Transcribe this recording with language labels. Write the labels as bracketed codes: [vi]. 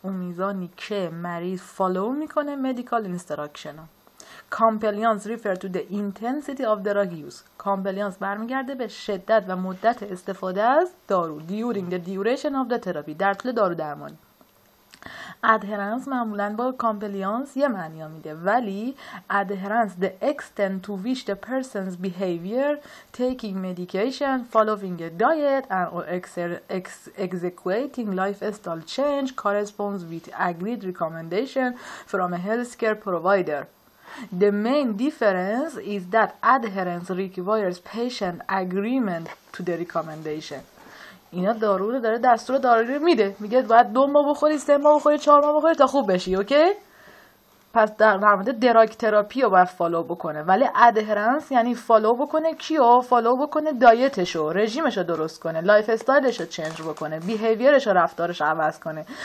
[fa] اون میزانی که مریض follow میکنه [en] medical instruction. Compliance refer to the intensity of drug use. [fa] Compliance برمیگرده به شدت و مدت استفاده از دارو. [en] During the duration of the therapy. [fa] در طول دارو درمانی. Adherence معمولاً با compliance یه معنی میده. [en] ولی adherence the extent to which the person's behavior, taking medication, following a diet, and or executing lifestyle change corresponds with agreed recommendation from a healthcare provider. The main difference is that adherence requires patient agreement to the recommendation. [fa] اینا دارو رو داره دستور داروی میده، میگه باید 2 ماه بخوری، 3 ماه بخوری، 4 ماه بخوری تا خوب بشی. اوکی؟ پس در مورد دراگ تراپی رو باید فالو بکنه، ولی ادهرنس یعنی فالو بکنه کیو؟ فالو بکنه دایتش رو، رژیمش رو درست کنه، لایف استایلش رو چنج بکنه، بیهیویرش رو رفتارش عوض کنه.